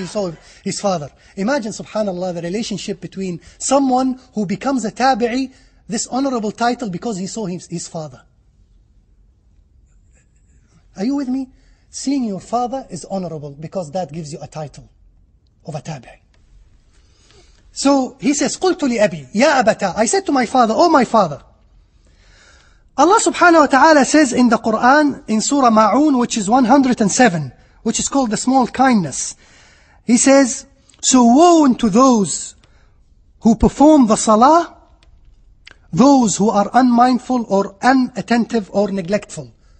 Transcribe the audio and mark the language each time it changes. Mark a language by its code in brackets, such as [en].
[en] he saw his father. Imagine, subhanAllah, the relationship between someone who becomes a tabi'i, this honorable title, because he saw his father. Are you with me? Seeing your father is honorable because that gives you a title of a tabi'i. [ar] So he says, قلت لأبي يا أبتا. [en] I said to my father, oh my father. Allah subhanahu wa ta'ala says in the Quran, in Surah Ma'un, which is 107, which is called the small kindness. He says, so woe unto those who perform the salah, those who are unmindful or unattentive or neglectful.